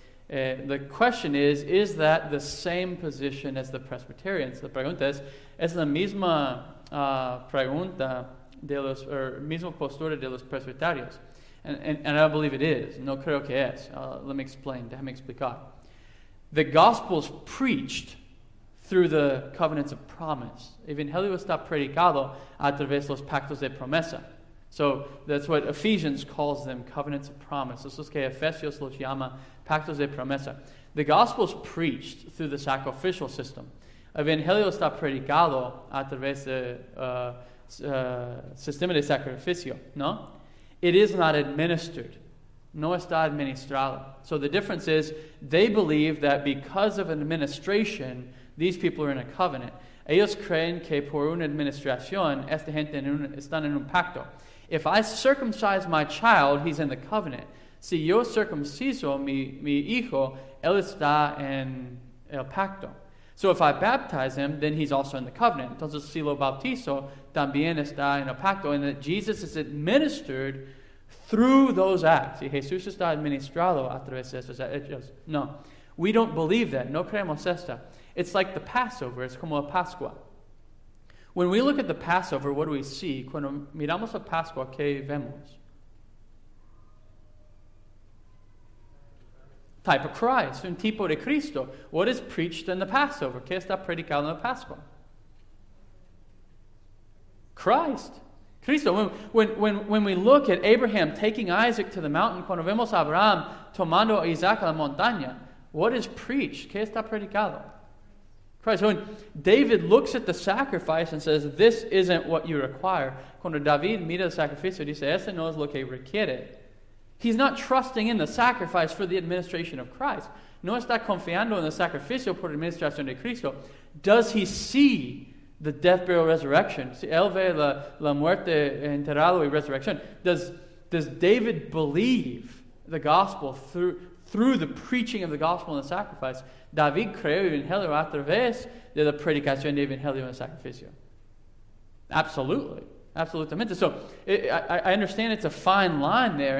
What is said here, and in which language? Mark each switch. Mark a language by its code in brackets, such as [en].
[en] The question is that the same position as the Presbyterians? [es] La pregunta es la misma pregunta de los, or mismo postura de los presbiterianos. [en] And I believe it is. [es] No creo que es. [en] Let me explain. [es] Déjame explicar. [en] The gospel's preached through the covenants of promise. [es] Evangelio está predicado a través de los pactos de promesa. [en] So that's what Ephesians calls them, covenants of promise. [es] Eso es que Efesios los llama pactos de promesa. [en] The gospel's preached through the sacrificial system. [es] Evangelio está predicado a través de sistema de sacrificio, ¿no? [en] It is not administered. [es] No está administrado. [en] So the difference is, they believe that because of administration, these people are in a covenant. [es] Ellos creen que por una administración, esta gente están en un pacto. [en] If I circumcise my child, he's in the covenant. [es] Si yo circunciso mi hijo, él está en el pacto. [en] So if I baptize him, then he's also in the covenant. [es] Entonces, si lo bautizo, también está en el pacto. [en] And that Jesus is administered through those acts. [es] Y Jesús está administrado a través de esos hechos. [en] No, we don't believe that. [es] No creemos esta. [en] It's like the Passover. It's [es] como a Pascua. [en] When we look at the Passover, what do we see? [es] Cuando miramos a Pascua, ¿qué vemos? [en] Type of Christ, [es] un tipo de Cristo. [en] What is preached in the Passover? [es] ¿Qué está predicado en la Pascua? [en] Christ. Cristo. When we look at Abraham taking Isaac to the mountain, [es] cuando vemos a Abraham tomando a Isaac a la montaña, [en] what is preached? [es] ¿Qué está predicado? [en] Christ. When David looks at the sacrifice and says, this isn't what you require. [es] Cuando David mira el sacrificio, dice, ese no es lo que requiere. [en] He's not trusting in the sacrifice for the administration of Christ. [es] No está confiando en el sacrificio por la administración de Cristo. [en] Does he see the death, burial, resurrection? [es] Si él ve la muerte, enterrado y resurrección. [en] Does David believe the gospel through the preaching of the gospel and the sacrifice? [es] David creó el evangelio a través de la predicación del evangelio en el sacrificio. [en] Absolutely. [es] Absolutamente. [en] So, I understand it's a fine line there.